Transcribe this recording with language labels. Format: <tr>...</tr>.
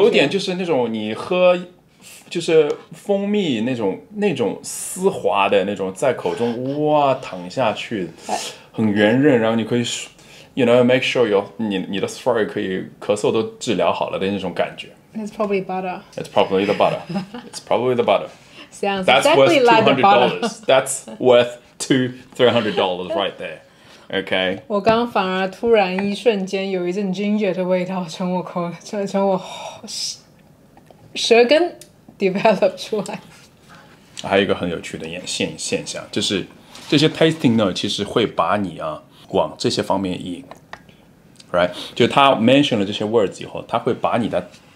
<zh>有点就是那种你喝就是蜂蜜那种丝滑的那种在口中哇躺下去，很圆润，然后你可以。</zh> <en>You know, make sure you</en> <zh>的 throat 可以咳嗽都治疗好了的那种感觉。</zh> <en>It's probably butter. It's probably the butter. It's probably the butter. Sounds That's worth $200. Like the butter. That's worth $200 right there. Okay.</en> <zh>我刚反而突然一瞬间有一阵 ginger 的味道从我口从我舌根 develop 出来。还有一个很有趣的现象，就是这些 tasting note 其实会把你啊。往这些方面引 ，right， 就他 mention 了这些 words 以后，他会把你的</zh>